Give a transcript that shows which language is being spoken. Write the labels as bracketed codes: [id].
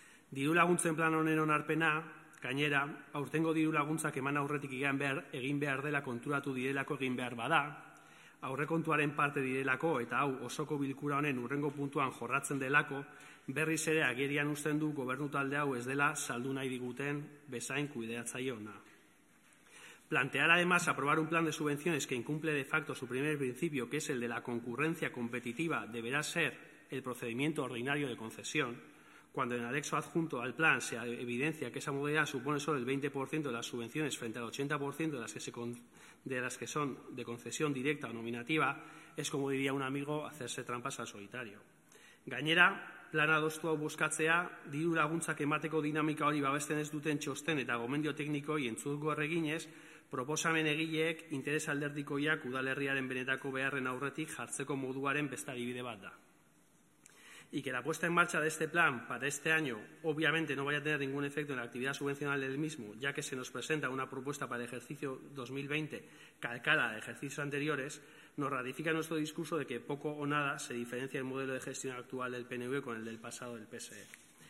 [eu] Diru laguntzen plan honen onarpena, gainera, aurtengo diru laguntzak eman aurretik egin behar dela konturatu direlako egin behar bada, aurrekontuaren parte direlako eta hau osoko bilkura honen urrengo puntuan jorratzen delako, berriz ere agerian uzten du gobernu talde hau ez dela saldu nahi diguten bezain kudeatzaile ona. [es] Plantear además aprobar un plan de subvenciones que incumple de facto su primer principio, que es el de la concurrencia competitiva, deberá ser el procedimiento ordinario de concesión, cuando en el anexo adjunto al plan se evidencia que esa modalidad supone solo el 20% de las subvenciones frente al 80% de las que son de concesión directa o nominativa, es como diría un amigo, hacerse trampas al solitario. [eu] Gainera, plan adostu hau buskatzea, diru laguntzak emateko dinamika hori babesten ez duten txosten eta gomendio teknikoi entzutuko erreginez, proposamen egileek interes alderdikoiak udalerriaren benetako beharren aurretik jartzeko moduaren beste adibide bat da. [es] Y que la puesta en marcha de este plan para este año obviamente no vaya a tener ningún efecto en la actividad subvencional del mismo, ya que se nos presenta una propuesta para el ejercicio 2020 calcada a ejercicios anteriores, nos ratifica nuestro discurso de que poco o nada se diferencia el modelo de gestión actual del PNV con el del pasado del PSE.